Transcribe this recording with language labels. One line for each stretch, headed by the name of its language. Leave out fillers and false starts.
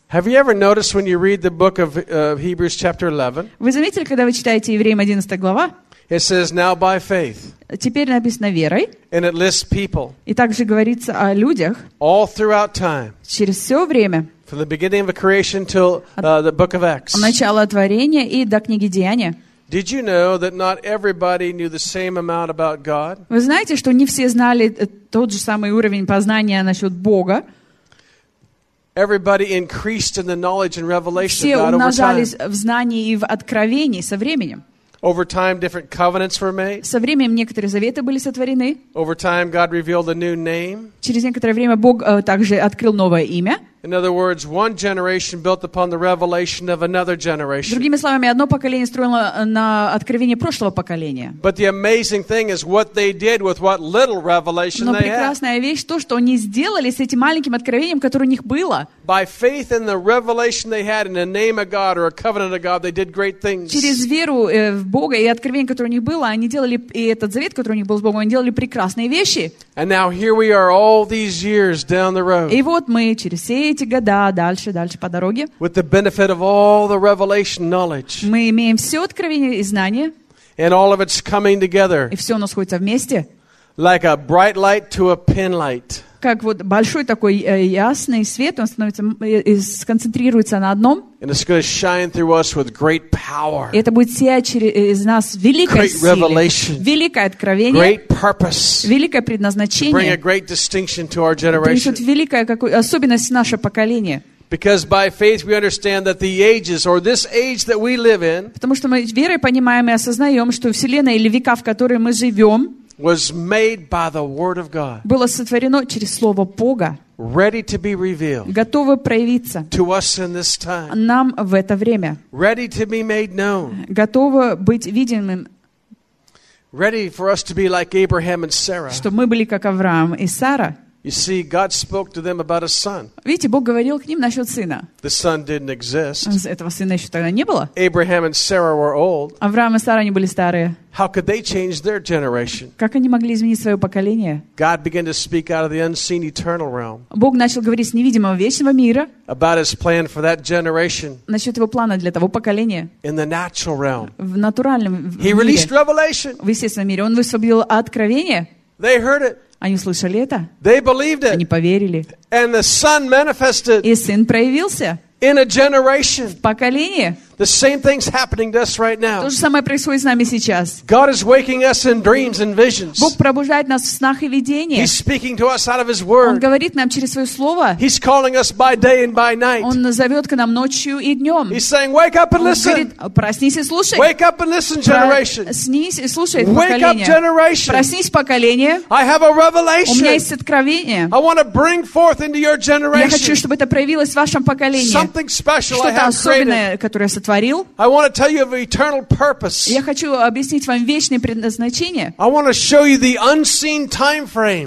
English: Have you ever noticed when you read the book of Hebrews chapter 11?
Russian: Вы заметили, когда вы читаете Евреям 11 глава?
English: It says now by faith.
Russian: Теперь написано верой.
English: And it lists people.
Russian: И также говорится о людях.
English: All throughout time.
Russian: Через все время.
English: From the beginning of the creation till the book of Acts.
Russian: От начала творения и до книги Деяния.
English: Did you know that not everybody knew the same amount about God?
Russian: Вы знаете, что не все знали тот же самый уровень познания насчет Бога?
English: Everybody increased in the knowledge and revelation of God over time.
Russian: Все умножались в знании и в откровении со временем.
English: Over time, different covenants were made.
Russian: Со временем некоторые заветы были сотворены.
English: Over time, God revealed a new name.
Russian: Через некоторое время Бог также открыл новое имя.
English: In other words, one generation built upon the revelation of another generation.
Russian: Другими словами, одно поколение строило на откровении прошлого поколения.
English: But the amazing thing is what they did with what little revelation they had.
Russian: Но прекрасная вещь то, что они сделали с этим маленьким откровением, которое у них было.
English: By faith in the revelation they had in the name of God or a covenant of God, they did great things.
Russian: Через веру в Бога и откровение, которое у них было, они делали и этот завет, который у них был с Богом, они делали прекрасные вещи.
English: And now here we are all these years down the road.
Russian: И вот мы через все эти года, дальше по дороге.
English: With the benefit of all the revelation knowledge.
Russian: Мы имеем все откровение и знание.
English: And all of it's coming together.
Russian: И все у нас сходится вместе.
English: Like a bright light to a pin light.
Russian: Как вот большой такой ясный свет, он становится и сконцентрируется на одном.
English: And it's going to shine through us with great power.
Russian: И это будет сиять через нас великой силой.
English: Great revelation.
Russian: Великое откровение.
English: Great purpose.
Russian: Великое предназначение.
English: Bring a great distinction to our generation.
Russian: Принесет великое какую особенность наше поколение.
English: Because by faith we understand that the ages or this age that we live in.
Russian: Потому что мы верой понимаем и осознаем, что вселенная или века, в которой мы живем.
English: Was made by the word of God.
Russian: Было сотворено через слово Бога.
English: Ready to be revealed.
Russian: Готово проявиться.
English: To us in this time.
Russian: Нам в это время.
English: Ready to be made known.
Russian: Готово быть виденным.
English: Ready for us to be like Abraham and Sarah.
Russian: Чтобы мы были как Авраам и Сара.
English: You see, God spoke to them about a son.
Russian: Видите, Бог говорил к ним насчет сына.
English: The son didn't exist.
Russian: Этого сына еще тогда не было.
English: Abraham and Sarah were old.
Russian: Авраам и Сара, они были старые.
English: How could they change their generation?
Russian: Как они могли изменить свое поколение?
English: God began to speak out of the unseen eternal realm.
Russian: Бог начал говорить с невидимого вечного мира.
English: About his plan for that generation.
Russian: Насчет его плана для того поколения.
English: In the natural realm.
Russian: В натуральном мире.
English: He released revelation.
Russian: В естественном мире. Он высвободил откровение.
English: They heard it.
Russian: Они услышали это.
English: They believed it.
Russian: Они поверили.
English: And the son manifested.
Russian: И сын проявился.
English: In a generation.
Russian: В поколение.
English: The same thing's happening to us right now.
Russian: То же самое происходит с нами сейчас.
English: God is waking us in dreams and visions.
Russian: Бог пробуждает нас в снах и видениях.
English: He's speaking to us out of His Word.
Russian: Он говорит нам через свое слово.
English: He's calling us by day and by night.
Russian: Он зовет к нам ночью и днем.
English: He's saying, "Wake up and listen."
Russian: Он говорит, проснись и слушай.
English: Wake up and listen, generation.
Russian: Снись и слушай, поколение.
English: Wake up, generation.
Russian: Проснись, поколение.
English: I have a revelation.
Russian: У меня есть откровение.
English: I want to bring forth into your generation.
Russian: Я хочу, чтобы это проявилось в вашем поколении.
English: Something special
Russian: Что-то
English: I have
Russian: особенное,
English: created.
Russian: Которое я
English: I want to tell you of eternal purpose.
Russian: Я хочу объяснить вам вечное предназначение.
English: I want to show you the unseen time frame.